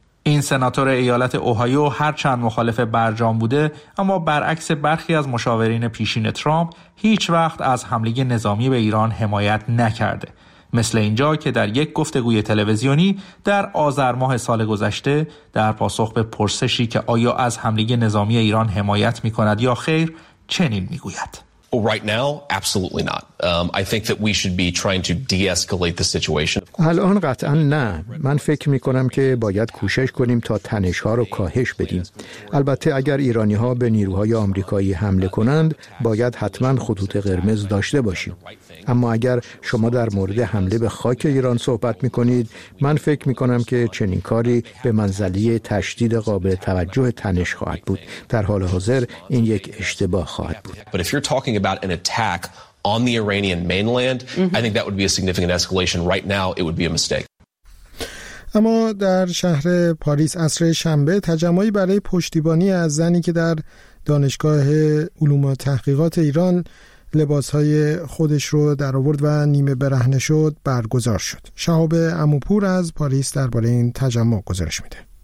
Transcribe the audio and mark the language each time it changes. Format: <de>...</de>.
<fa>این سناتور ایالت اوهایو هرچند مخالف برجام بوده، اما برعکس برخی از مشاورین پیشین ترامپ هیچ وقت از حمله نظامی به ایران حمایت نکرده. مثل اینجا که در یک گفتگوی تلویزیونی در آذر ماه سال گذشته در پاسخ به پرسشی که آیا از حمله نظامی ایران حمایت می‌کند یا خیر، چنین می‌گوید:</fa> <en>Right now, absolutely not. I think that we should be trying to de-escalate the situation.</en> <fa>الان قطعا نه. من فکر می‌کنم که باید کوشش کنیم تا تنش‌ها رو کاهش بدیم. البته اگر ایرانی‌ها به نیروهای آمریکایی حمله کنند، باید حتما خطوط قرمز داشته باشیم. اما اگر شما در مورد حمله به خاک ایران صحبت می‌کنید، من فکر می‌کنم که چنین کاری به منزله تشدید قابل توجه تنش خواهد بود. در حال حاضر این یک اشتباه خواهد بود.</fa> <en>Talking about an attack on the Iranian mainland, I think that would be a significant escalation. Right now, it would be a mistake.</en> <fa>اما در شهر پاریس عصر شنبه تجمعی برای پشتیبانی از زنی که در دانشگاه علوم و تحقیقات ایران لباس‌های خودش رو درآورد و نیمه برهنه شد برگزار شد. شهاب عموپور از پاریس درباره این تجمع گزارش میده.</fa>